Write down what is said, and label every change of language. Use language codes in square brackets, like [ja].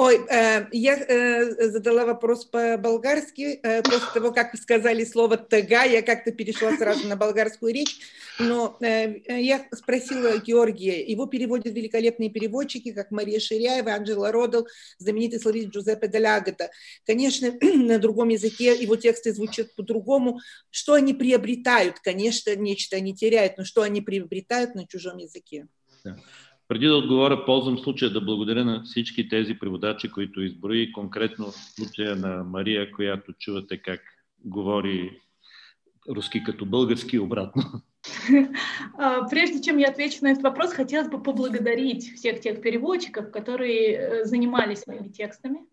[ru] Ой, я задала въпрос по-болгарски, после того, как сказали слово «тага», я как-то перешла сразу на болгарскую речь, но я спросила Георгия, его переводят великолепные переводчики, как Мария Ширяева, Анджела Родел, знаменитый словист Джузеппе Делагата. Конечно, на другом языке его тексты звучат по-другому. Что они приобретают? Конечно, нечто они теряют, но что они приобретают на чужом языке? [bg] Преди да отговоря, ползвам случая да благодаря на всички тези преводачи, които изброи, конкретно в случая на Мария, която чувате как говори руски като български обратно. [ru] Прежде чем я отвечу на этот вопрос, хотелось бы поблагодарить всех тех переводчиков, которые занимались моими текстами.